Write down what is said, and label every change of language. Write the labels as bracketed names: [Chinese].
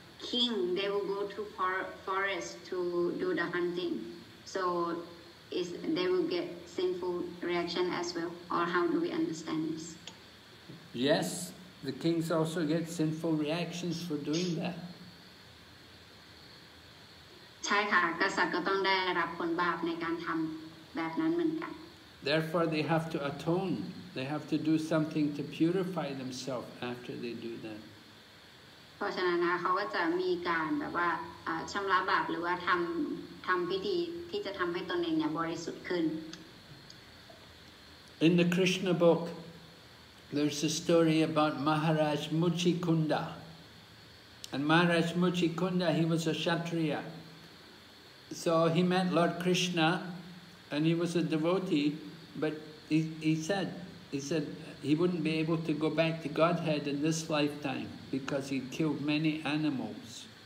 [English] king they will go to forest to do the hunting so is they will get sinful reaction as well or how do we understand this yes the kings also get sinful reactions for doing that [Thai] ใช่ค่ะกษัตริย์ก็ต้องได้รับผลบาปในการทำแบบนั้นเหมือนกัน [English] therefore they have to atone they have to do something to purify themselves after they do that [Thai] เพราะฉะนั้นเขาก็จะมีการแบบว่าชำระบาปหรือว่าทำพิธีที่จะทำให้ตนเองเนี่ยบริสุทธิ์ขึ้น [English] in the krishna bookThere's a story about Maharaj Muchikunda. And Maharaj Muchikunda, he was a Kshatriya. So he met Lord Krishna, and he was a devotee, but he said he wouldn't be able to go back to Godhead in this lifetime because he killed many animals.